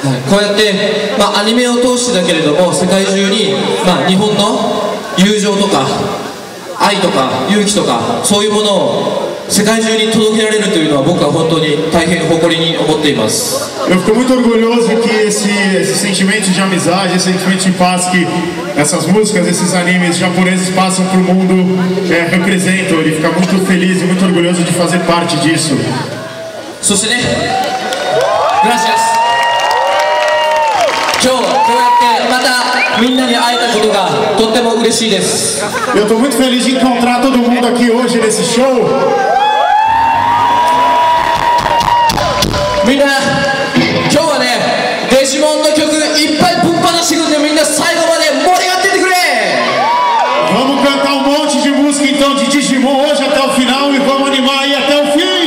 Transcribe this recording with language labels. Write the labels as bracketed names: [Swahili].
[Japanese] こうやって、まあ、アニメを通してだけれども、世界中に、まあ、日本の友情とか愛とか勇気とかそういうものを世界中に届けられるというのは僕は本当に大変誇りに思っています。 [Portuguese] Eu fico muito orgulhoso que esse sentimento de amizade, esse sentimento de paz que essas músicas, esses animes japoneses passam para o mundo representam. Ele fica muito feliz e muito orgulhoso de fazer parte disso. [Japanese] そしてね、Gracias. 今日こうやってまたみんなに会えたことがとっても嬉しいです。 [Portuguese] Eu estou muito feliz de encontrar todo mundo aqui hoje nesse show. [Japanese] みんな今日はね、デジモンの曲いっぱいぶっぱなしてくるんで、みんな最後まで盛り上がっててくれ。 [Portuguese] Vamos cantar monte de música então de Digimon hoje até o final e vamos animar aí até o fim.